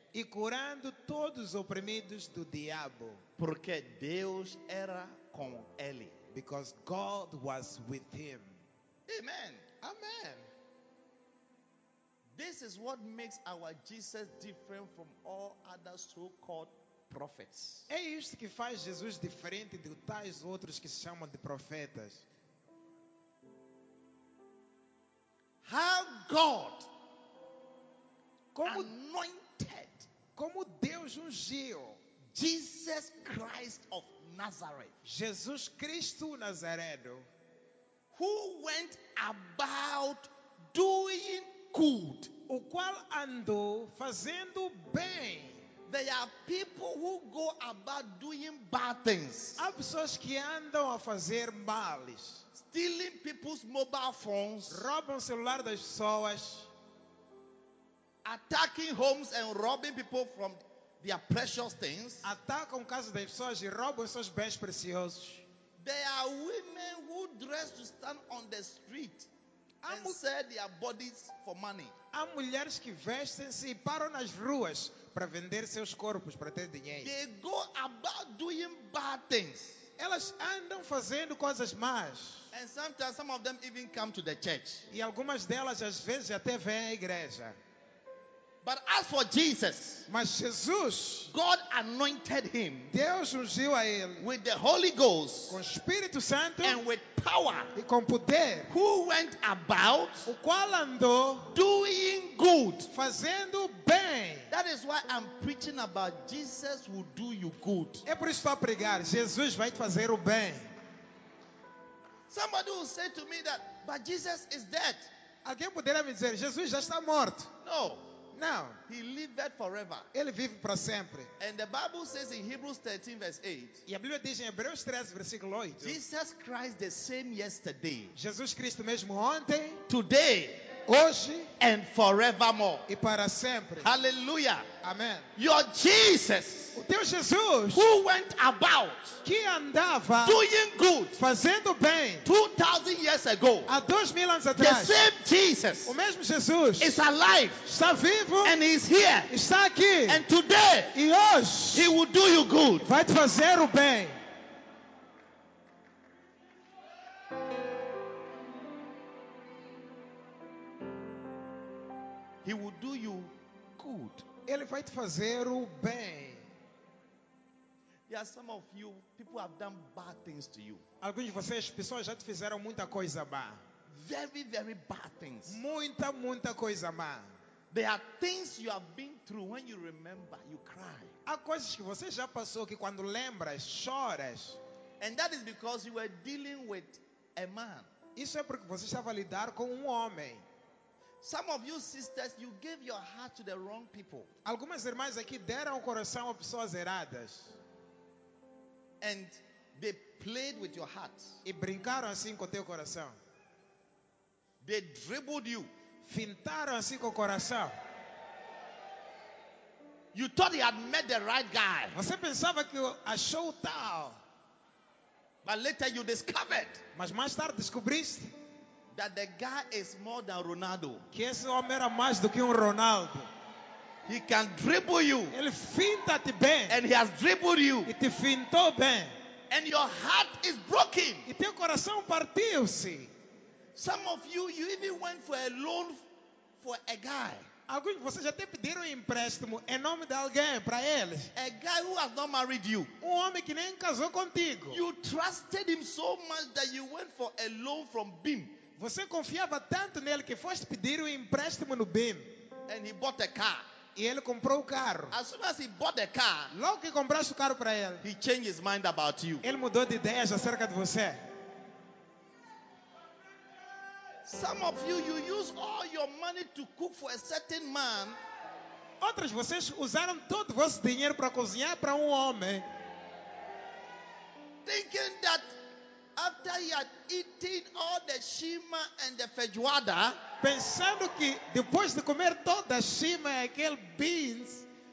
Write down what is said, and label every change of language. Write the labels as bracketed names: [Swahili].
[Portuguese] e curando todos os oprimidos do diabo, porque Deus era com ele. [English] Because God was with him. Amen. Amen. This is what makes our Jesus different from all other so-called prophets. [Portuguese] É isso que faz Jesus diferente de tais outros que se chamam de profetas. [English] How God anointed, [Portuguese] como Deus ungiu [English] Jesus Christ of Nazareth, [Portuguese] Jesus Cristo Nazareno, [English] who went about doing good, [Portuguese] o qual andou fazendo bem. [English] There are people who go about doing bad things. [Portuguese] Há pessoas que andam a fazer males. [English] Stealing people's mobile phones. [Portuguese] Roubam o celular das pessoas. [English] Attacking homes and robbing people from their precious things. [Portuguese] Atacam casas das pessoas e roubam seus bens preciosos. [English] There are women who dress to stand on the street and sell their bodies for money. [Portuguese] Há mulheres que vestem-se e param nas ruas para vender seus corpos para ter dinheiro. [English] They go about doing bad things. [Portuguese] Elas andam fazendo coisas más. [English] And sometimes some of them even come to the church. [Portuguese] E algumas delas às vezes até vêm à igreja. [English] But as for Jesus, [Portuguese] mas Jesus, [English] God anointed him, [Portuguese] Deus ungiu a ele, [English] with the Holy Ghost, [Portuguese] com o Espírito Santo, [English] and with power, [Portuguese] e com poder, [English] who went about, [Portuguese] o qual andou, [English] doing good, [Portuguese] fazendo bem. [English] That is why I'm preaching about Jesus will do you good. [Portuguese] É por isso que estou a pregar, Jesus vai te fazer o bem. [English] Somebody will say to me that, but Jesus is dead. [Portuguese] Alguém poderá me dizer, Jesus já está morto? [English] No. Now, he lived forever. [Portuguese] Ele vive para sempre. [English] And the Bible says in Hebrews 13 verse 8. [Portuguese] E a Bíblia diz em Hebreus 13 versículo 8. [English] Jesus Christ the same yesterday. [Portuguese] Jesus Cristo mesmo ontem, [English] today, [Portuguese] hoje [English] and forevermore. [Portuguese] E para sempre. [English] Hallelujah. Amen. Your Jesus, [Portuguese] o teu Jesus, [English] who went about [Portuguese] que andava [English] doing good, [Portuguese] fazendo bem, [English] 2,000 years ago, [Portuguese] há 2,000 anos atrás, [English] the same Jesus, [Portuguese] o mesmo Jesus, [English] is alive, [Portuguese] está vivo, [English] and he's here, [Portuguese] está aqui, [English] and today, [Portuguese] e hoje, [English] he will do you good, [Portuguese] vai te fazer o bem. [English] He will do you good. [Portuguese] Ele vai te fazer o bem. [English] There are some of you, people have done bad things to you. [Portuguese] Alguns de vocês, pessoas já te fizeram muita coisa má. [English] Very, very bad things. [Portuguese] Muita, muita coisa má. [English] There are things you have been through, when you remember, you cry. [Portuguese] Há coisas que você já passou que quando lembras, choras. [English] And that is because you were dealing with a man. [Portuguese] Isso é porque você estava a lidar com homem. [English] Some of you sisters, you gave your heart to the wrong people. [Portuguese] Algumas irmãs aqui deram o coração a pessoas erradas. [English] And they played with your heart. [Portuguese] E brincaram assim com teu coração. [English] They dribbled you. [Portuguese] Fintaram assim com o coração. [English] You thought you had met the right guy. [Portuguese] Você pensava que achou o tal. [English] But later you discovered. [Portuguese] Mas mais tarde descobriste. [English] That the guy is more than Ronaldo. [Portuguese] Que esse homem era mais do que Ronaldo. [English] He can dribble you. [Portuguese] Ele finta te bem. [English] And he has dribbled you. [Portuguese] E te fintou bem. [English] And your heart is broken. [Portuguese] E teu coração partiu-se. [English] Some of you, you even went for a loan for a guy. [Portuguese] Alguns de vocês até pediram empréstimo em nome de alguém para eles. [English] A guy who has not married you. [Portuguese] Um homem que nem casou contigo. [English] You trusted him so much that you went for a loan from BIM. [Portuguese] Você confiava tanto nele que foste pedir um empréstimo no BIM. [English] And he bought a car. [Portuguese] E ele comprou o carro. [English] As soon as he bought the car, [Portuguese] logo que compraste o carro para ele, [English] he changed his mind about you. [Portuguese] Ele mudou de ideias acerca de você. [English] Some of you, you use all your money to cook for a certain man. [Portuguese] Outros vocês usaram todo o vosso dinheiro para cozinhar para homem. [English] Thinking that after he had eaten all the shima and the feijoada, [Portuguese] pensando que depois de comer toda a shima e aquele beans,